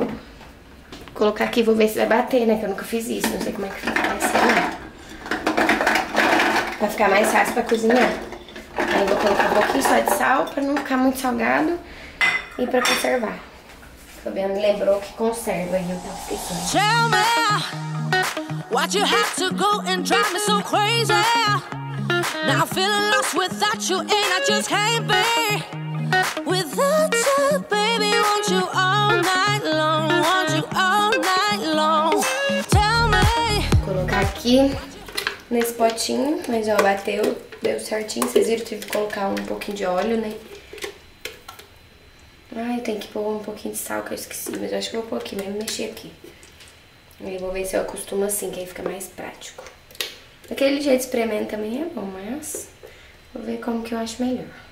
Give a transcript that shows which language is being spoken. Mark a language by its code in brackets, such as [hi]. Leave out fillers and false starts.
[pt] Vou colocar aqui, vou ver se vai bater, né, que eu nunca fiz isso, não sei como é que fica, vai ser, né? Pra ficar mais fácil pra cozinhar. Aí eu vou colocar um pouquinho só de sal, pra não ficar muito salgado e pra conservar. Fabiano lembrou que conserva aí, eu tava ficando. [en] Tell me, why'd you have to go and drive me so crazy? Now I'm feeling lost without you and I just can't be without you, baby. Want you all night long, want you all night long. Tell me. [pt] Colocar aqui nesse potinho, mas ó, bateu, deu certinho. Vocês viram que tive que colocar um pouquinho de óleo, né? Ai, tem que pôr um pouquinho de sal que eu esqueci, mas eu acho que vou pôr aqui mesmo, mexer aqui. E vou ver se eu acostumo assim, que aí fica mais prático. Aquele jeito espremendo também é bom, mas vou ver como que eu acho melhor.